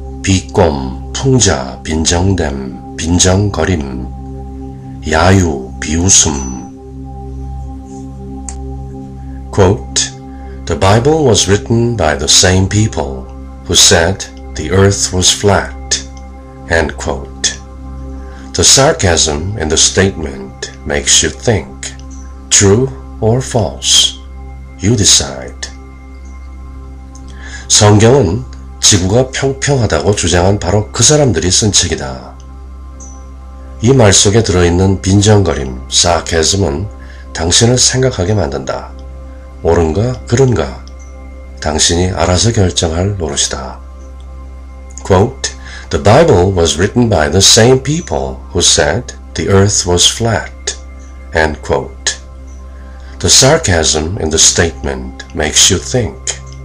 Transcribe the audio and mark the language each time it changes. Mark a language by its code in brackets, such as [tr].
[ko] 비꼼, 풍자, 빈정댐, 빈정거림, 야유, 비웃음. [en] Quote, "The Bible was written by the same people who said the earth was flat." End quote. The sarcasm in the statement makes you think. True or false? You decide. [ko] 성경은 지구가 평평하다고 주장한 바로 그 사람들이 쓴 책이다. 이 말 속에 들어있는 빈정거림, sarcasm은 당신을 생각하게 만든다. 옳은가, 그런가? 당신이 알아서 결정할 노릇이다. [en] Quote, "The Bible was written by the same people who said the earth was flat." End quote. The sarcasm in the statement makes you think.